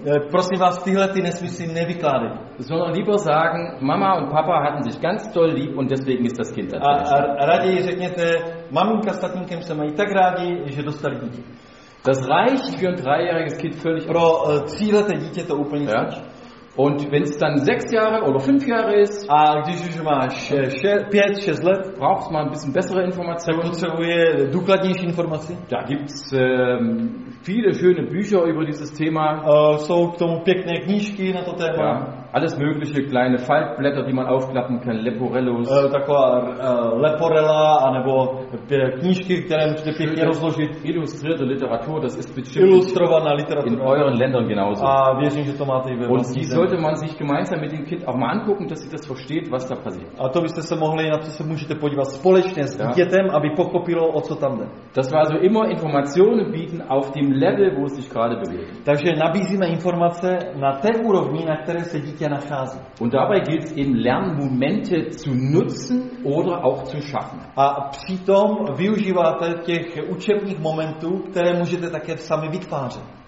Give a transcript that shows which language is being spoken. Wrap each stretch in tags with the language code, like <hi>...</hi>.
<cs>Prosím vás, tyhle ty nesmysly nevykládej.</cs> <de>Sondern lieber sagen, Mama und Papa hatten sich ganz doll lieb und deswegen ist das Kind dazu.</de> <cs>A raději řekněte, maminka s tatínkem se mají tak rádi, že dostali dítě.</cs> <de>Das reicht für ein dreijähriges Kind völlig.</de> <cs>Pro tříleté dítě to úplně ja. Stačí.</cs> <de>Und wenn es dann 6 Jahre oder 5 Jahre ist,</de> <cs>a když už má 5-6 let,</cs> <de>braucht man ein bisschen bessere Informationen.</de> <cs>Potřebuje důkladnější informace.</cs> <de>Da gibt's viele schöne Bücher über dieses Thema.</de> <cs>Jsou k tomu pěkné knížky na to téma.</cs> <de>Ja. Alles mögliche kleine Faltblätter, die man aufklappen kann, Leporellos.</de> <cs>Taková Leporella, anebo knížky, které můžete pěkně rozložit.</cs> <de>Illustrierte Literatur, das ist bestimmt</de> <cs>illustrovaná literatura.</cs> <de>In euren Ländern genauso.</de> <cs>A věřím, že to máte i ve vlastní zemi.</cs> <de>Und die sollte man sich gemeinsam mit dem Kind auch mal angucken, dass sie das versteht, was da passiert.</de> <cs>A to byste se mohli, na to se můžete podívat společně s dítětem, ja. Aby pochopilo, o co tam jde.</cs> <de>Das war also immer Informationen bieten auf dem Level, wo es sich gerade bewegt.</de> <cs>Takže nabízíme informace na té úrovni, na které se dítě.</cs> <de>Und dabei gilt es eben Lernmomente zu nutzen oder auch zu schaffen.</de> <cs>A přitom využíváte těch učebních momentů, které můžete také sami vytvářet.</cs>